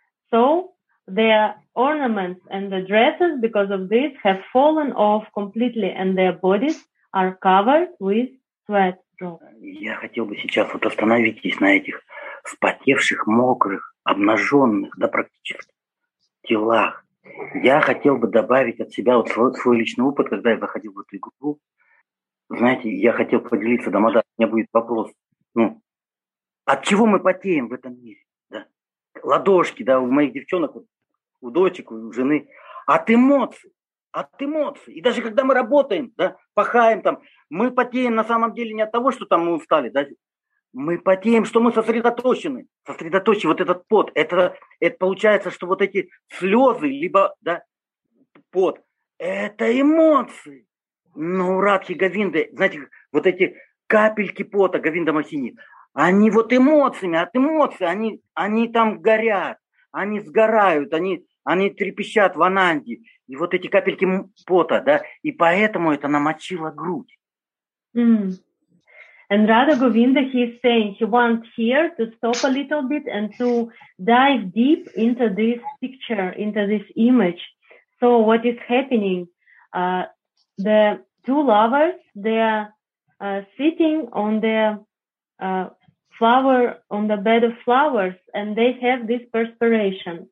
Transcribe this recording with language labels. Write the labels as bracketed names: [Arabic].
[English] So their ornaments and the dresses, because of this, have fallen off completely, and their bodies are covered with sweat drops. [Russian] Я хотел бы сейчас вот остановиться на этих вспотевших, мокрых, обнаженных, да практически телах. Я хотел бы добавить от себя вот свой личный опыт, когда я заходил в эту игру. Знаете, я хотел поделиться, Дамода, у меня будет вопрос. Ну, от чего мы потеем в этом мире? Да? Ладошки, да, у моих девчонок, у дочек, у жены. От эмоций. И даже когда мы работаем, да, пахаем там, мы потеем на самом деле не от того, что там мы устали, да, мы потеем, что мы сосредоточены. Сосредоточен вот этот пот. Это получается, что вот эти слезы, либо да, пот, это эмоции. Но у Радхи Говинды, знаете, вот эти капельки пота Говинда Махини, они вот эмоциями, от эмоций, они там горят, они сгорают, они трепещат в Ананде. И вот эти капельки пота, да, и поэтому это намочило грудь. Mm. [English] And Radha Govinda, he is saying he wants here to stop a little bit and to dive deep into this picture, into this image. So what is happening? The two lovers, they are sitting on the flower, on the bed of flowers, and they have this perspiration.